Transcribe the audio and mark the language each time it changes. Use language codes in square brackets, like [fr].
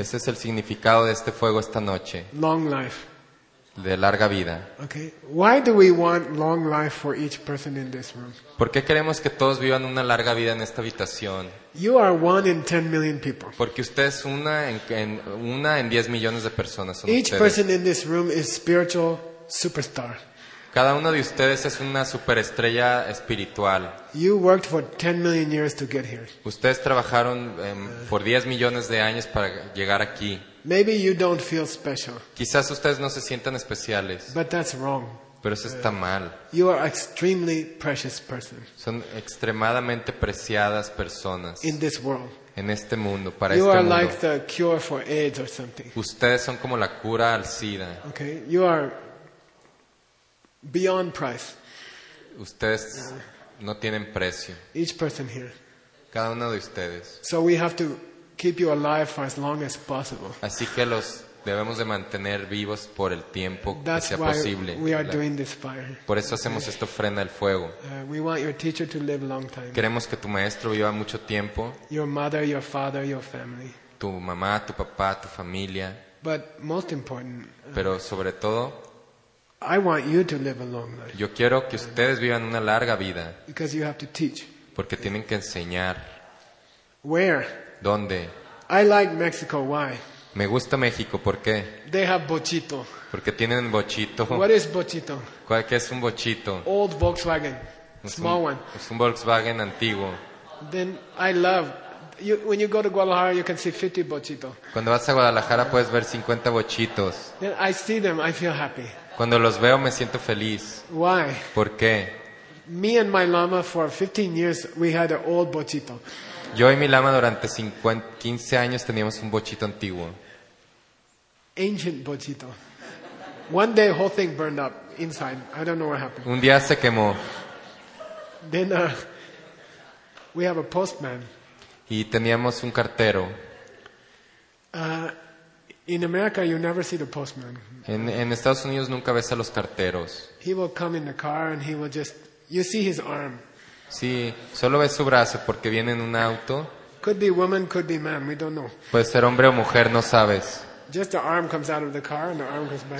[es] Ese es el significado de este fuego esta noche. [en] Long life. [es] De larga vida. [en] Okay. Why do we want long life for each person in this room? [es] ¿Por qué queremos que todos vivan una larga vida en esta habitación? [en] You are one in 10 million people. [es] Porque usted es una en 10 millones de personas. [en] Each person in this room is spiritual superstar. [es] Cada uno de ustedes es una superestrella espiritual. [en] You worked for 10 million years to get here. [es] Ustedes trabajaron por 10 millones de años para llegar aquí. [en] Maybe you don't feel special. [es] Quizás ustedes no se sientan especiales. [en] But that's wrong. [es] Pero eso está mal. [en] You are extremely precious person. [es] Son extremadamente preciadas personas. [en] In this world. [es] En este mundo, para [en] you [es] este [en] are [es] mundo. [en] Like the cure for AIDS or something. [es] Ustedes son como la cura al SIDA. [en] Okay, you are beyond price. [es] Ustedes no tienen precio. [en] Each person here. [es] Cada uno de ustedes. [en] So we have to keep you alive for as long as possible. [es] Así que los debemos de mantener vivos por el tiempo que sea posible. [en] We are doing this fire. [es] Por eso hacemos esta ofrenda del fuego. [en] We want your teacher to live a long time. [es] Queremos que tu maestro viva mucho tiempo. [en] Your mother, your father, your family. [es] Tu mamá, tu papá, tu familia. [en] But most important. [es] Pero sobre todo. [en] I want you to live a long life. [es] Yo quiero que ustedes vivan una larga vida. [en] Because you have to teach. [es] Porque tienen que enseñar. [en] Where? [es] ¿Dónde? [en] I like Mexico. Why? [es] Me gusta México. ¿Por qué? [en] They have bochito. [es] Porque tienen bochito. [en] What is bochito? [es] ¿Qué es un bochito? [en] Old Volkswagen. Small one. [es] Es un Volkswagen antiguo. [en] Then I love. When you go to Guadalajara, you can see 50 bochitos. [es] Cuando vas a Guadalajara puedes ver 50 bochitos. [en] Then I see them, I feel happy. [es] Cuando los veo me siento feliz. [en] Why? [es] ¿Por qué? [en] Me and my lama for 15 years we had an old bochito. [es] Yo y mi lama durante 15 años teníamos un bochito antiguo. [en] Ancient bochito. One day whole thing burned up inside. I don't know what happened. [es] Un día se quemó. [en] Then we have a postman. [es] Y teníamos un cartero. [en] In America you never see the postman. [es] En Estados Unidos nunca ves a los carteros. [en] He will come in the car and he will just you see his arm. [es] Sí, solo ves su brazo porque viene en un auto. [en] Could be woman, could be man, we don't know. [es] Puede ser hombre o mujer, no sabes. [en] Just the arm comes out of the car and the arm comes back.